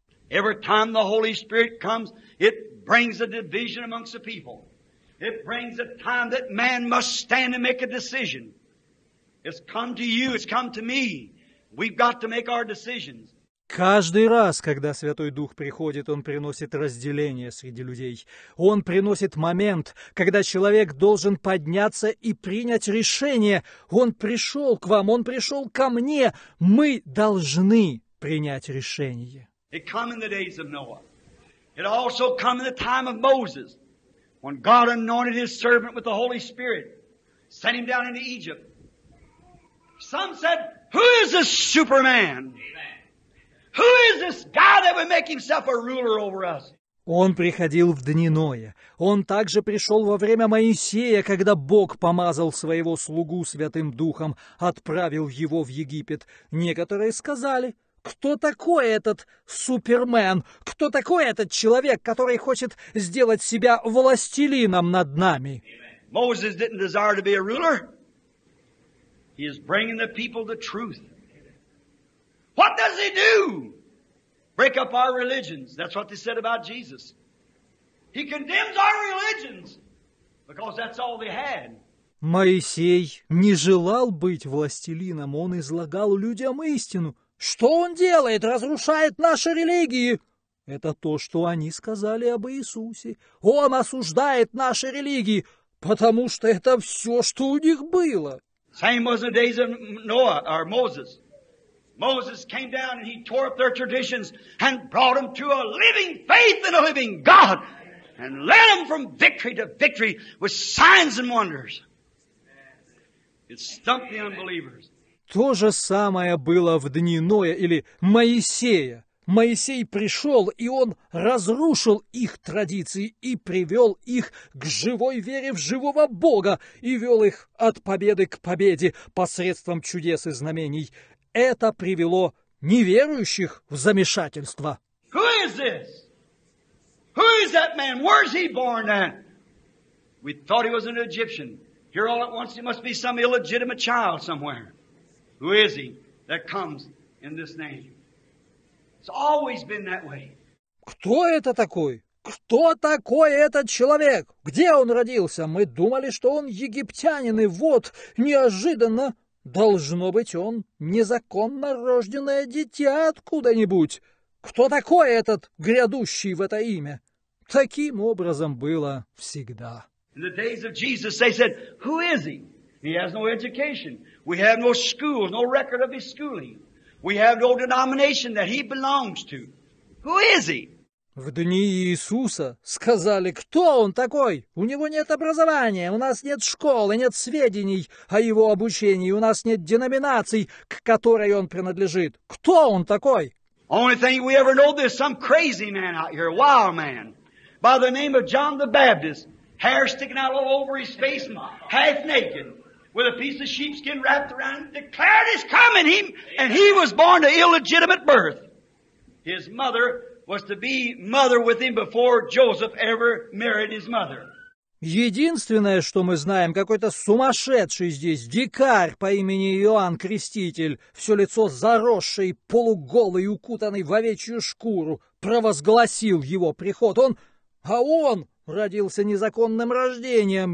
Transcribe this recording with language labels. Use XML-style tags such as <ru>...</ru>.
<en>Every time the Holy Spirit comes, it brings a division amongst the people. It brings a time that man must stand and make a decision. It's come to you, it's come to me. We've got to make our decisions.</en> <ru>Каждый раз, когда Святой Дух приходит, Он приносит разделение среди людей. Он приносит момент, когда человек должен подняться и принять решение. Он пришел к вам, Он пришел ко мне. Мы должны принять решение.</ru> <en>It came in the days of Noah. It also came in the time of Moses, when God anointed his servant with the Holy Spirit, sent him down into Egypt. Some said, who is this Superman? Who is this guy that would make himself a ruler over us?</en> <ru>Он приходил в дни Ноя. Он также пришел во время Моисея, когда Бог помазал своего слугу Святым Духом, отправил его в Египет. Некоторые сказали, кто такой этот Супермен? Кто такой этот человек, который хочет сделать себя властелином над нами?</ru> <en>Moses didn't desire to be a ruler. He is bringing the people the truth. What does he do? Break up our religions. That's what they said about Jesus. He condemns our religions because that's all they had.</en> <ru>Моисей не желал быть властелином. Он излагал людям истину. Что он делает? Разрушает наши религии. Это то, что они сказали об Иисусе. Он осуждает наши религии, потому что это все, что у них было.</ru> <en>Same was the days of Noah or Moses. Moses came down and he tore up their traditions and brought them to a living faith in a living God and led them from victory to victory with signs and wonders. It stumped the unbelievers.</en> <ru>То же самое было в дни Ноя или Моисея. Моисей пришел, и он разрушил их традиции и привел их к живой вере в живого Бога и вел их от победы к победе посредством чудес и знамений. Это привело неверующих в замешательство.</ru> <en>Who is this? Who is that man? Where is he born at? We thought he was an Egyptian. Here all at once he must be some illegitimate child somewhere. Who is he that comes in this name? It's always been that way.</en> <ru>Кто это такой? Кто такой этот человек? Где он родился? Мы думали, что он египтянин, и вот, неожиданно, должно быть, он незаконно рожденное дитя откуда-нибудь. Кто такой этот грядущий в это имя? Таким образом было всегда.</ru> <en>In the days of Jesus, they said, who is he? He has no education. We have no schools, no record of his schooling. We have no denomination that he belongs to. Who is he?</en> <ru>В дни Иисуса сказали, кто он такой? У него нет образования, у нас нет школы, нет сведений о его обучении, у нас нет деноминаций, к которой он принадлежит. Кто он такой?</ru> <en>Only thing we ever know, there's some crazy man out here, a wild man, by the name of John the Baptist, hair sticking out all over his face, half naked. With a piece of sheepskin wrapped around him, declared his coming, and he was born to illegitimate birth. His mother was to be mother with him before Joseph ever married his mother.</en> <ru>Единственное, что мы знаем, какой-то сумасшедший здесь дикарь по имени Иоанн Креститель, все лицо заросшее, полуголый, укутанный в овечью шкуру, провозгласил его приход. Он родился незаконным рождением.</ru>